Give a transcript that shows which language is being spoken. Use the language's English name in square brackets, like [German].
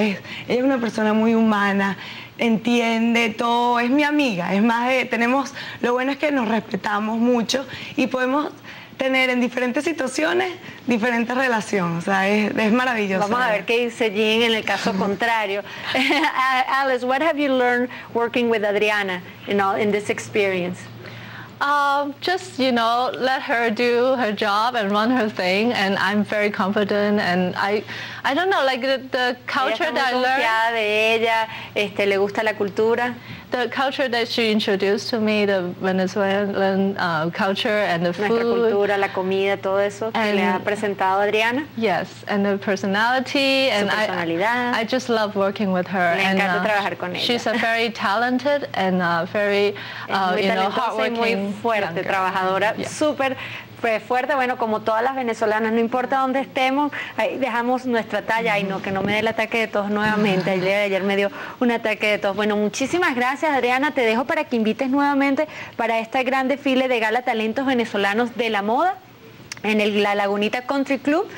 [Spanish] Ella es una persona muy humana, entiende todo, es mi amiga. Es más, tenemos, lo bueno es que nos respetamos mucho y podemos tener en diferentes situaciones diferentes relaciones. O sea, es maravilloso. Vamos a ver qué dice Jean en el caso contrario. [English] Alice, what have you learned working with Adriana, you know, in this experience? Just, you know, let her do her job and run her thing, and I'm very confident, and I don't know, like the culture that I learned. [Spanish] Ella está muy confiada de ella, le gusta la cultura. [English] The culture that she introduced to me, the Venezuelan culture and the [Spanish] nuestra [English] food. [Spanish] Nuestra cultura, la comida, todo eso and, que le ha presentado Adriana. [English] Yes, and the personality. [Spanish] Su personalidad. [English] I just love working with her. [Spanish] Me encanta trabajar con ella. [English] She's a very talented and very, you know, hardworking. [Spanish] Muy fuerte, trabajadora, yeah. Súper fuerte, bueno, como todas las venezolanas, no importa dónde estemos, ahí dejamos nuestra talla, y no, que no me dé el ataque de tos nuevamente, el día de ayer me dio un ataque de tos. Bueno, muchísimas gracias, Adriana, te dejo para que invites nuevamente para este gran desfile de Gala Talentos Venezolanos de la Moda en la Lagunita Country Club.